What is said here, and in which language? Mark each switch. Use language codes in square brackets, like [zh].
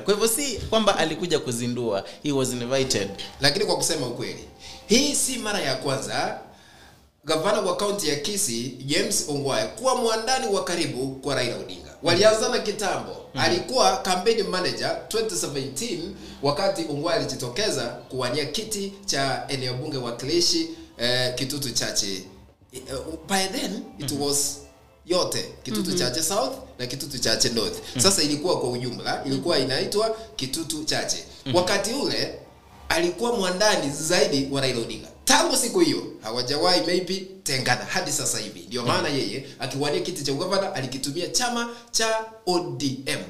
[sw] Kwa hivyo si kwamba alikuja kuzindua, [en] he was invited. [sw] Lakini kwa kusema ukweli, hii si mara ya kwanza gavana wa kaunti ya Kisii James Ongwae kuwa mwandani wa karibu kwa Raila Odinga. Walianzana kitambo. Alikuwa [en] campaign manager [sw] 2017 wakati Ongwae alijitokeza kuwania kiti cha eneo bunge wakilishi Kitutu Chache. [en] By then it was [sw] yote [en] Kitutu Chache South na Kitutu Chache North. [sw] Sasa ilikuwa kwa ujumla ilikuwa inaitwa Kitutu Chache. Wakati ule alikuwa mwandani zaidi wa Raila Odinga. Tangu siku hiyo hawajawahi maybe tengana hadi sasa hivi. Ndio maana yeye akiwania kiti cha ugavana alikitumia chama cha ODM.